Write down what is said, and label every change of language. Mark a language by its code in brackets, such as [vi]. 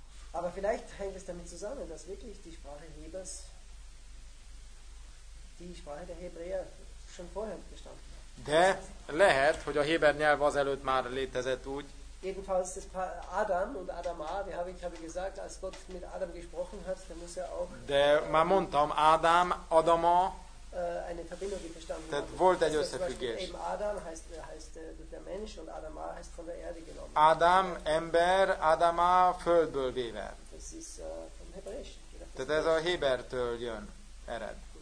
[de] Aber vielleicht hängt es damit zusammen, dass wirklich die Sprache Hebers, die Sprache der Hebräer schon vorher bestand. [hu] De lehet, hogy a héber nyelv azelőtt már létezett úgy. [de] Jedenfalls ist Adam und Adama, wie habe ich gesagt, als Gott mit Adam gesprochen hat, dann muss er auch. [hu] De már mondtam, Adam, Adama. [de] Eine Verbindung, die verstanden hat. [hu] Volt egy összefüggés. [de] Eben Adam heißt der Mensch und Adama heißt von der Erde genommen. [hu] Adam, ember, Adama, földből véve. [de] Das ist vom Hebräisch. [hu] Tehát ez a Hébertől jön, ered.